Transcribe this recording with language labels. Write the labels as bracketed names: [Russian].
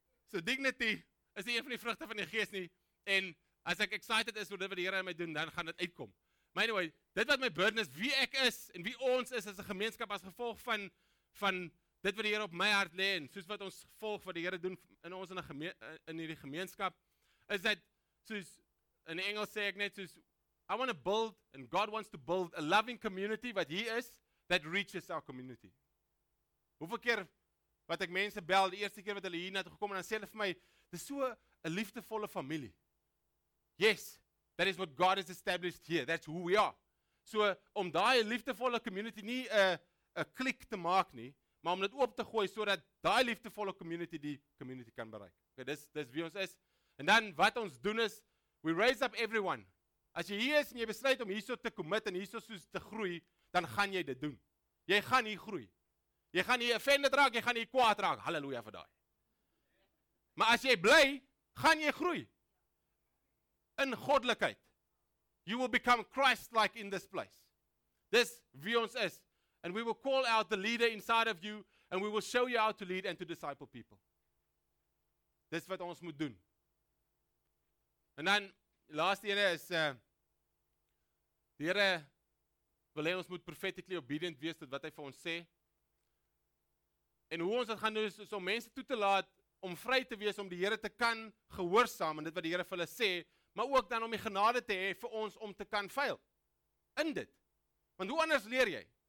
[Afrikaans] So dignity is nie een van die vrugte van die gees nie, en as ek excited is oor dit wat die Here aan my doen, dan gaan dit uitkom. Maar anyway, dit wat my burden is, wie ek is, en wie ons is as 'n gemeenskap, as gevolg van dit wat die Here op my hart lê, en soos wat ons volg wat die Here doen in ons in hierdie gemeenskap, is dat, soos in Engels sê ek net soos, [English] I want to build, and God wants to build a loving community, wat He is, that reaches our community. [Afrikaans] Hoeveel keer, wat ek mense bel, die eerste keer wat hulle hier na toe gekom, en dan sê hulle vir my, dis so a liefdevolle familie. [English] Yes, that is what God has established here, that's who we are. [Afrikaans] So, om daai liefdevolle community nie a klik te maak nie, maar om dit oop te gooi, so dat daai liefdevolle community die community kan bereik. Okay, dis wie ons is. En dan, wat ons doen is, [English] we raise up everyone. [Afrikaans] As jy hier is en jy besluit om hier so te commit en hier so soos te groei, dan gaan jy dit doen. Jy gaan hier groei. Jy gaan hier offended raak, jy gaan hier kwaad raak. Halleluja vir daai. Maar as jy bly, gaan jy groei. In goddelikheid. [English] You will become Christ-like in this place. This [Afrikaans] wie ons is. [English] And we will call out the leader inside of you and we will show you how to lead and to disciple people. [Afrikaans] Dis wat ons moet doen. En dan, laatste ene is, die Here wil hy ons moet [English] prophetically obedient [Afrikaans] wees tot wat hy vir ons sê. En hoe ons dat gaan doen is om mense toe te laat, om vry te wees, om die Here te kan gehoorsaam en dit wat die Here vir hulle sê, maar ook dan om die genade te hê vir ons om te kan fail. In dit. Want hoe anders leer jy?